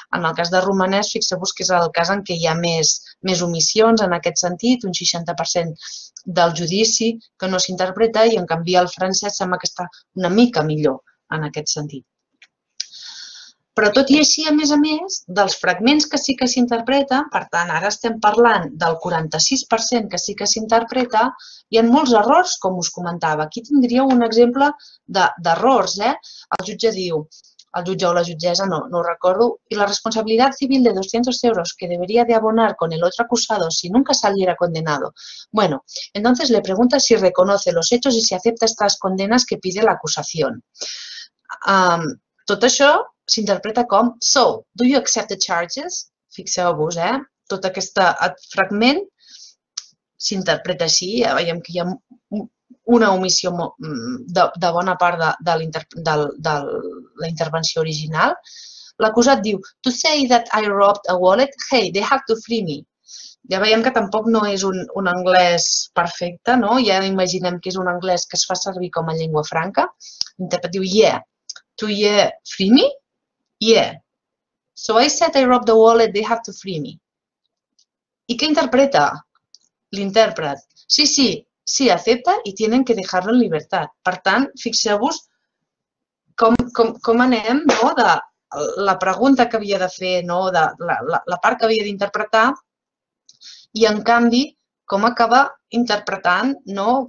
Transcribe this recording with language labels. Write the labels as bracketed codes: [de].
[ca] En el cas de Romanès, fixeu-vos que és el cas en què hi ha més omissions en aquest sentit, un 60% del judici que no s'interpreta, i en canvi el francès sembla que està una mica millor en aquest sentit. Però tot i així, a més, dels fragments que sí que s'interpreten, per tant, ara estem parlant del 46% que sí que s'interpreta, hi ha molts errors, com us comentava. Aquí tindríeu un exemple d'errors. El jutge diu, el jutge o la jutgessa, no ho recordo, i la responsabilitat civil de 200 euros [es] que debería de abonar con el otro acusado si nunca saliera condenado. Bueno, entonces le pregunta si reconoce los hechos y si acepta estas condenas que pide la acusación. [ca] Tot això s'interpreta com, [en] so, do you accept the charges? [ca] Fixeu-vos, tot aquest fragment s'interpreta així, ja veiem que hi ha una omissió de bona part de la intervenció original. L'acusat diu, [en] to say that I robbed a wallet, hey, they have to free me. [ca] Ja veiem que tampoc no és un anglès perfecte, no? Ja imaginem que és un anglès que es fa servir com a llengua franca. L'intèrpret diu, [en] yeah, to yeah, free me? Yeah. So I said I robbed a wallet, they have to free me. [ca] I què interpreta l'intèrpret? Sí, acepta i tenen que deixar-lo en llibertat. Per tant, fixeu-vos com anem, no? De la pregunta que havia de fer, no? De la part que havia d'interpretar i, en canvi, com acaba interpretant, no?